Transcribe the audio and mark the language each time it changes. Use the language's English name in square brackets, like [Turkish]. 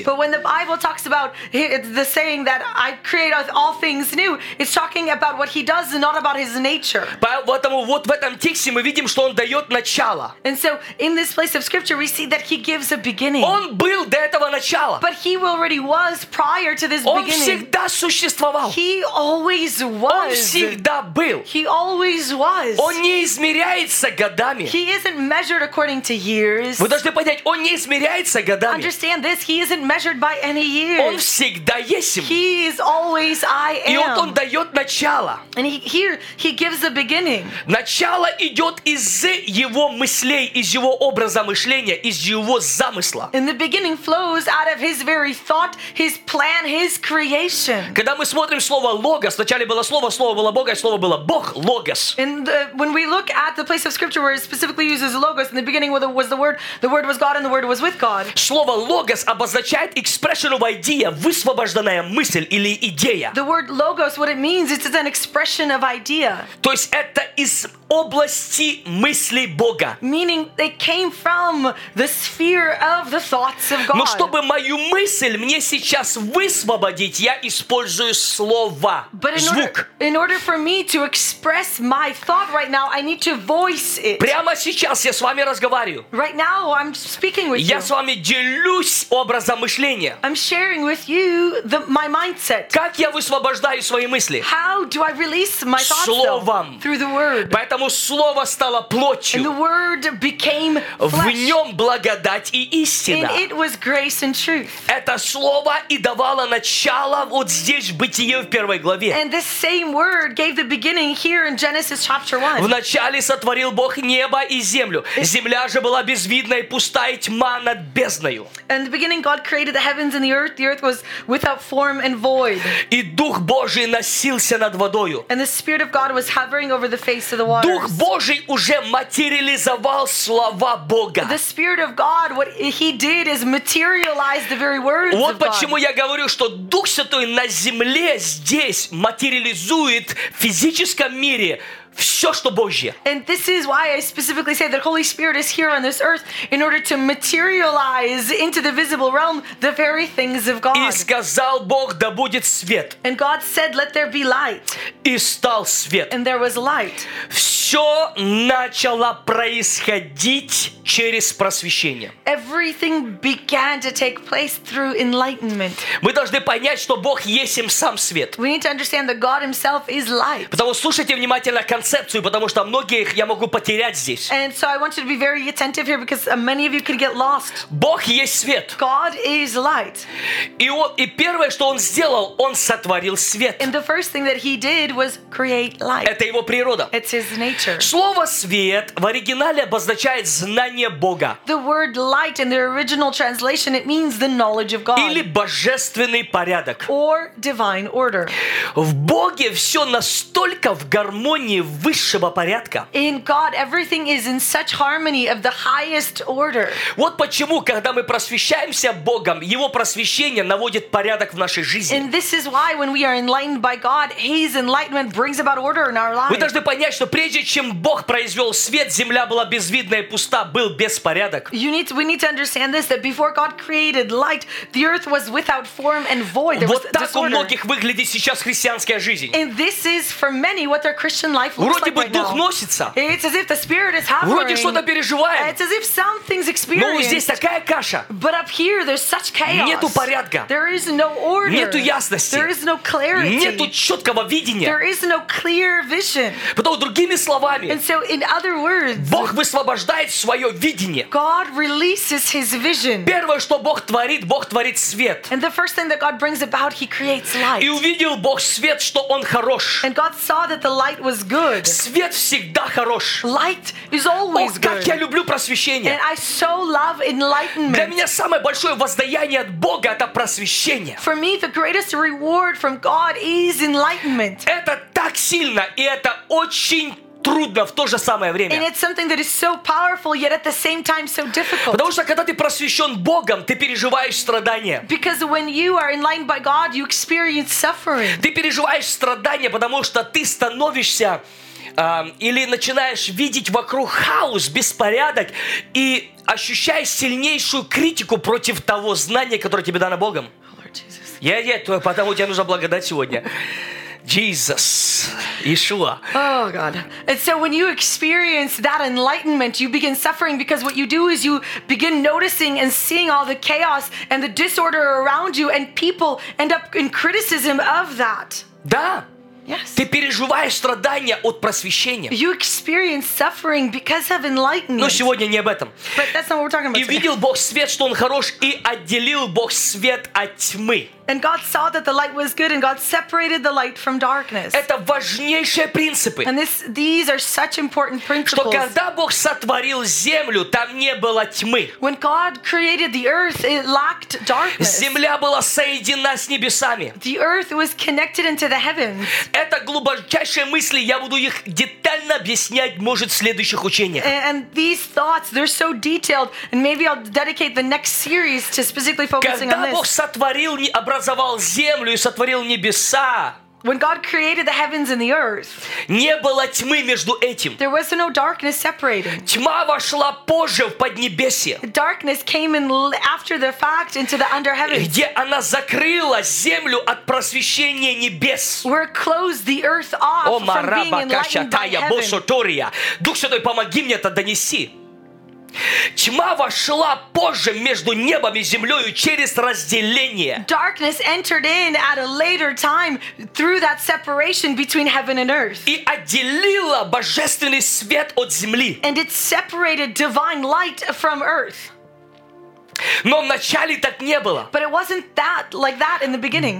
[English] But when the Bible talks about the saying that I create all things new, it's talking about what he does and not about his nature. [Russian] Поэтому вот в этом тексте мы видим, что он дает начало. [English] And so in this place of scripture we see that he gives a beginning. [Russian] Он был до этого начала. [English] But he already was prior to this [Russian] он [English] beginning. [Russian] Он всегда существовал. [English] He always always was. [Russian] Он всегда был. [English] He always was. [Russian] Он не измеряется годами. [English] He isn't measured according to years. [Russian] Вы должны понять, он не измеряется годами. [English] Understand this, he isn't measured by any years. [Russian] Он всегда есть. [English] He is always I am. [Russian] И вот он дает начало. [English] And he gives the beginning. [Russian] Начало идет из его мыслей, из его образа мышления, из его замысла. [English] In the beginning flows out of his very thought, his plan, his creation. [Russian] Когда мы смотрим слово «логос», вначале было слово, слово было Бога, и слово было Бог, логос. [English] And when we look at the place of scripture where it specifically uses logos, in the beginning was the word was God and the word was with God. [Russian] Слово «логос» обозначает [English] expression of idea, [Russian] высвобожденная мысль или идея. [English] The word logos, what it means, it's an expression of idea. [Russian] То есть это из области мысли Бога. [English] Meaning it came from the sphere of the thoughts of God. [Russian] Но чтобы мою мысль мне сейчас высвободить, я использую слово, звук. [English] In order for me to express my thought right now, I need to voice it. [Russian] Прямо сейчас я с вами разговариваю. [English] Right now I'm speaking with [Russian] я [English] you. [Russian] Я с вами делюсь образом мышления. [English] I'm sharing with you my mindset. [Russian] Как я высвобождаю свои мысли? [English] How do I release my thoughts? [Russian] Словом. [English] Through the word. [Russian] Поэтому слово стало плотью. [English] And the word became flesh. [Russian] В нем благодать и истина. [English] And it was grace and truth. [Russian] Это слово и давало начало вот здесь, в Бытие, в первой главе. [English] And this same word gave the beginning here in Genesis chapter 1. [Russian] Вначале сотворил Бог небо и землю. Земля же была безвидна и пуста, и тьма над бездною. [English] And the beginning God created the heavens and the earth was without form and void. [Russian] И Дух Божий носился над водою. [English] And the Spirit of God was hovering over the face of the waters. [Russian] Дух Божий уже материализовал слова Бога. [English] The Spirit of God, what he did is materialize the very words [Russian] вот [English] of God. [Russian] Вот почему я говорю, что Дух Святой на земле здесь материализует в физическом мире все, что Божье. [English] And this is why I specifically say that Holy Spirit is here on this earth in order to materialize into the visible realm the very things of God. [Russian] И сказал Бог, да будет свет. [English] And God said, let there be light. [Russian] И стал свет. [English] And there was light. [Russian] Все начало происходить через просвещение. [English] Everything began to take place through enlightenment. [Russian] Мы должны понять, что Бог есть им сам свет. [English] We need to understand that God himself is light. [Russian] Потому слушайте внимательно концепцию, потому что многих я могу потерять здесь. [English] And so I want you to be very attentive here because many of you could get lost. [Russian] Бог есть свет. [English] God is light. [Russian] И первое, что он сделал, он сотворил свет. [English] And the first thing that he did was create light. [Russian] Это его природа. [English] It's his nature. [Russian] Слово свет в оригинале обозначает знание. [English] The word light in the original translation, it means the knowledge of God. [Russian] Или божественный порядок. [English] Or divine order. [Russian] В Боге все настолько в гармонии высшего порядка. [English] In God, everything is in such harmony of the highest order. [Russian] Вот почему, когда мы просвещаемся Богом, Его просвещение наводит порядок в нашей жизни. [English] And this is why when we are enlightened by God, His enlightenment brings about order in our lives. [Russian] Вы должны понять, что прежде чем Бог произвел свет, земля была безвидна и пуста. Был беспорядок. [English] We need to understand this, that before God created light, the earth was without form and void. [Russian] Вот так у многих выглядит сейчас христианская жизнь. [English] And this is for many what their Christian life looks [Russian] вроде [English] like [Russian] бы [English] right [Russian] дух [English] now. [Russian] Носится. [English] It's as if the spirit is hovering. [Russian] Вроде что-то переживает. [English] It's as if something's experienced. [Russian] Но здесь такая каша. [English] But up here there's such chaos. [Russian] Нету порядка. [English] There is no order. [Russian] Нету ясности. [English] There is no clarity. [Russian] Нету четкого видения. [English] There is no clear vision. [Russian] Потом другими словами. [English] And so in other words, [Russian] Бог высвобождает свою видение. [English] God releases his vision. [Russian] Первое, что Бог творит, Бог творит свет. [English] And the first thing that God brings about, he creates light. [Russian] И увидел Бог свет, что он хорош. [English] And God saw that the light was good. [Russian] Свет всегда хорош. [English] Light is always good. [Russian] О, как я люблю просвещение. [English] And I so love enlightenment. [Russian] Для меня самое большое воздаяние от Бога это просвещение. [English] For me, the greatest reward from God is enlightenment. [Russian] Это так сильно и это очень трудно в то же самое время. [English] And it's something that is so powerful, yet at the same time so difficult. [Russian] Потому что когда ты просвещен Богом, ты переживаешь страдания. [English] Because when you are enlightened by God, you experience suffering. [Russian] Ты переживаешь страдания, потому что ты становишься или начинаешь видеть вокруг хаос, беспорядок и ощущаешь сильнейшую критику против того знания, которое тебе дано Богом. [English] Oh, Lord Jesus. [Russian] Я потому тебе нужно благодать сегодня. [English] Jesus, Yeshua. Oh God. And so when you experience that enlightenment, you begin suffering because what you do is you begin noticing and seeing all the chaos and the disorder around you, and people end up in criticism of that. [Russian] Да. [English] Yes. [Russian] Ты переживаешь страдания от просвещения. [English] You experience suffering because of enlightenment. [Russian] Но сегодня не об этом. [English] But that's not what we're talking about. [Russian] И видел Бог свет, что он хорош, и отделил Бог свет от тьмы. [English] And God saw that the light was good, and God separated the light from darkness. [Russian] Это важнейшие принципы. [English] And these are such important principles. [Russian] Что когда Бог сотворил землю, там не было тьмы. [English] When God created the earth, it lacked darkness. [Russian] Земля была соединена с небесами. [English] The earth was connected into the heavens. [Russian] Это глубочайшие мысли, я буду их детально объяснять, может, в следующих учениях. [English] And these thoughts, they're so detailed, and maybe I'll dedicate the next series to specifically focusing [Russian] когда [English] on this. [Russian] Когда Бог сотворил образовал землю и сотворил небеса. [English] When God created the heavens and the earth, [Russian] не было тьмы между этим. [English] There was no darkness separating. [Russian] Тьма вошла позже в поднебесье. [English] Darkness came in after the fact into the under heavens. [Russian] Где она закрыла землю от просвещения небес. [English] Where it closed the earth off from being enlightened by heaven. [Russian] Дух Святой, помоги мне это донести. Тьма вошла позже между небом и землей через разделение. [English] Darkness entered in at a later time through that separation between heaven and earth. [Russian] И отделила божественный свет от земли. [English] And it separated divine light from earth. [Russian] Но вначале так не было. [English] But it wasn't that like that in the beginning.